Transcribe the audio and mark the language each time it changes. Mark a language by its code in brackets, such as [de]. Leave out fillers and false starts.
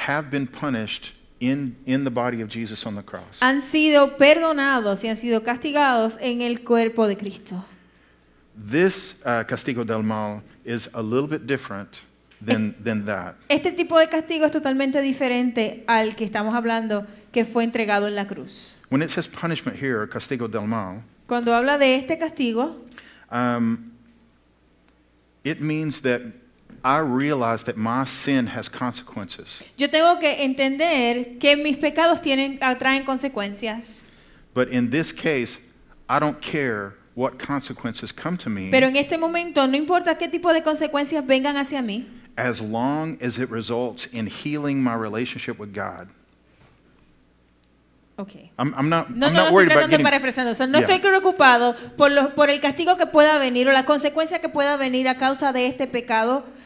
[en] have been punished in the body of Jesus on the cross. [es] Han sido perdonados y han sido castigados en el cuerpo de Cristo. [en] This castigo del mal is a little bit different than that. [es] Este tipo de castigo es totalmente diferente al que estamos hablando que fue entregado en la cruz. [en] When it says punishment here, castigo del mal. [es] Cuando habla de este castigo, [en] it means that I realize that my sin has consequences. [es] Yo tengo que entender que mis pecados traen consecuencias. [en] But in this case, I don't care what consequences come to me. [es] Pero en este momento no importa qué tipo de consecuencias vengan hacia mí. [en] As long as it results in healing my relationship with God. Okay. I'm not worried about getting. [es] Estoy preocupado por el castigo que pueda venir o la consecuencia que pueda venir a causa de este pecado.